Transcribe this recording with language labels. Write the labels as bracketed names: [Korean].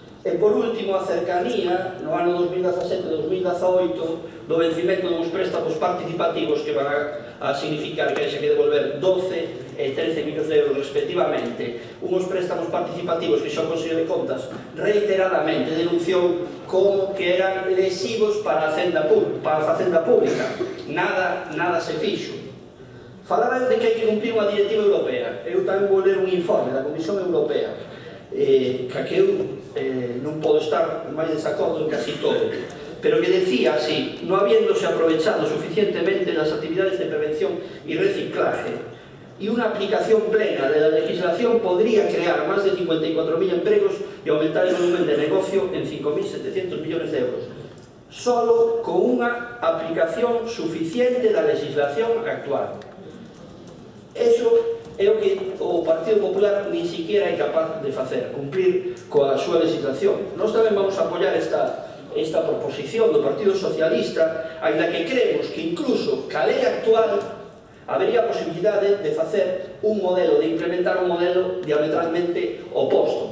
[Galician] E por último, a cercanía, no ano 2017-2018, do vencimento dos préstamos participativos que van a significar que hai que devolver 12 e 13 millóns de euros respectivamente, unhos préstamos participativos que xa o Consello de Contas reiteradamente denunciou como que eran lesivos para a facenda pública. Nada se fixo. Falaba de que hai que cumplir unha directiva europea. Eu tamén vou ler un informe da Comisión Europea que eu non podo estar máis desacordo en casi todo, pero que decía así: [Spanish] no habiéndose aprovechado suficientemente las actividades de prevención y reciclaje y una aplicación plena de la legislación, podría crear más de 54.000 empleos y aumentar el volumen de negocio en 5.700 millones de euros. Solo con una aplicación suficiente de la legislación actual. [Galician] Eso é o que o Partido Popular [Spanish] ni siquiera [Galician] é capaz de facer, cumplir coa súa legislación. Nos tamén vamos a apoyar esta proposición do Partido Socialista, ainda que creemos que incluso ca lei actual habería posibilidade de facer un modelo, de implementar un modelo diametralmente oposto.